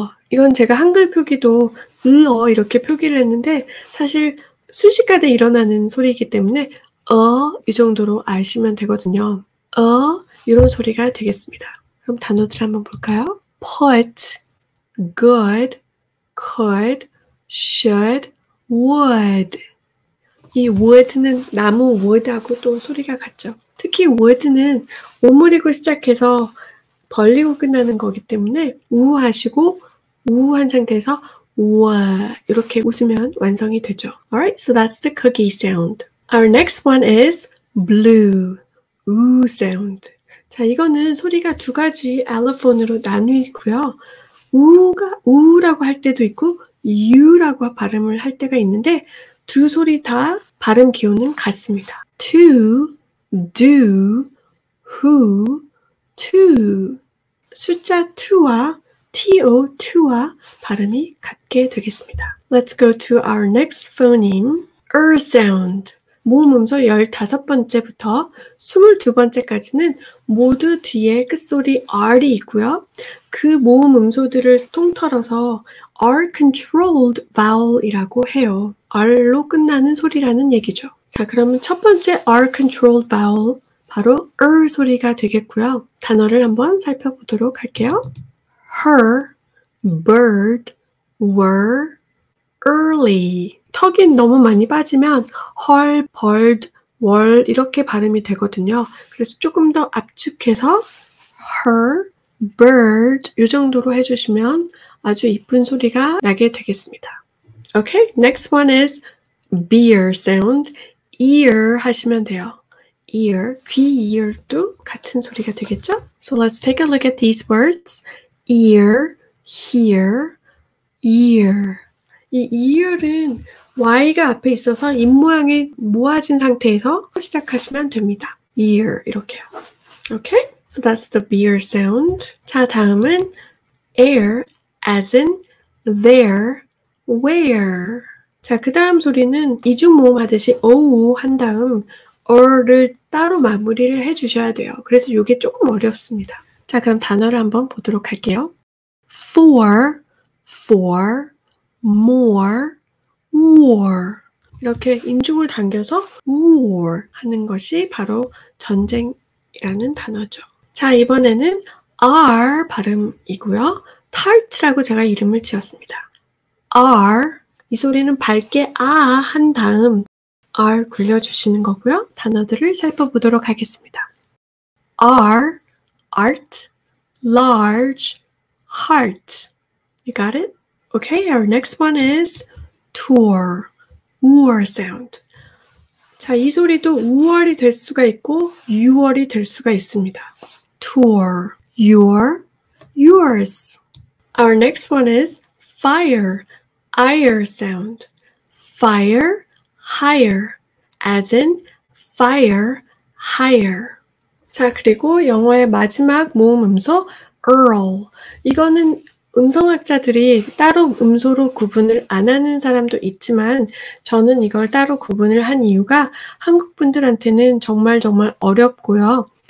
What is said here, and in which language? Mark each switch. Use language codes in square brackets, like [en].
[ko] 이건 제가 한글 표기도 이렇게 표기를 했는데 사실 순식간에 일어나는 소리이기 때문에 이 정도로 아시면 되거든요. 이런 소리가 되겠습니다. 그럼 단어들 한번 볼까요? [en] put, good, could, should, would. [ko] 이 would는 나무 would하고 또 소리가 같죠. 특히 would는 오므리고 시작해서 벌리고 끝나는 거기 때문에 우하시고 우한 상태에서 우와 이렇게 웃으면 완성이 되죠. [en] Alright, so that's the cookie sound. Our next one is blue. 우 sound. [ko] 자, 이거는 소리가 두 가지 allophone으로 나뉘고요. 우가 우라고 할 때도 있고 유라고 발음을 할 때가 있는데 두 소리 다 발음 기호는 같습니다. [en] to, do, who, to. [ko] 숫자 2와 to, to와 발음이 같게 되겠습니다. [en] Let's go to our next phoneme. r sound. [ko] 모음 음소 15번째부터 22번째까지는 모두 뒤에 끝소리 r이 있고요. 그 모음 음소들을 통틀어서 r-controlled vowel이라고 해요. r로 끝나는 소리라는 얘기죠. 자, 그러면 첫 번째 r-controlled vowel 바로 r 소리가 되겠고요. 단어를 한번 살펴보도록 할게요. [en] her, bird, were, early. [ko] 턱이 너무 많이 빠지면 her, bird, were 이렇게 발음이 되거든요. 그래서 조금 더 압축해서 her, bird 이 정도로 해주시면 아주 이쁜 소리가 나게 되겠습니다. [en] Okay, next one is beer sound. [ko] ear 하시면 돼요. ear, 귀, ear도 같은 소리가 되겠죠? [en] So let's take a look at these words. ear, hear, ear. [ko] 이 ear은 y가 앞에 있어서 입 모양이 모아진 상태에서 시작하시면 됩니다. ear 이렇게요. [en] Okay, so that's the beer sound. [ko] 자, 다음은 air, [en] as in there, where. [ko] 자, 그 다음 소리는 이중 모음 하듯이 오우 한 다음 or를 따로 마무리를 해주셔야 돼요. 그래서 이게 조금 어렵습니다. 자, 그럼 단어를 한번 보도록 할게요. [en] For, more, war. [ko] 이렇게 인중을 당겨서 war 하는 것이 바로 전쟁이라는 단어죠. 자, 이번에는 R 발음이고요. Tart라고 제가 이름을 지었습니다. R 이 소리는 밝게 아한 다음 R 굴려주시는 거고요. 단어들을 살펴보도록 하겠습니다. [en] R, art, large, heart. You got it? Okay, our next one is tour, ur sound. [ko] 자, 이 소리도 ur이 될 수가 있고 ur이 될 수가 있습니다. [en] Tour, your, yours. Our next one is fire, ire sound. Fire, higher, as in fire, higher. [ko] 자, 그리고 영어의 마지막 모음 음소, earl. 이거는 음성학자들이 따로 음소로 구분을 안 하는 사람도 있지만 저는 이걸 따로 구분을 한 이유가 한국 분들한테는 정말 정말 어렵고요.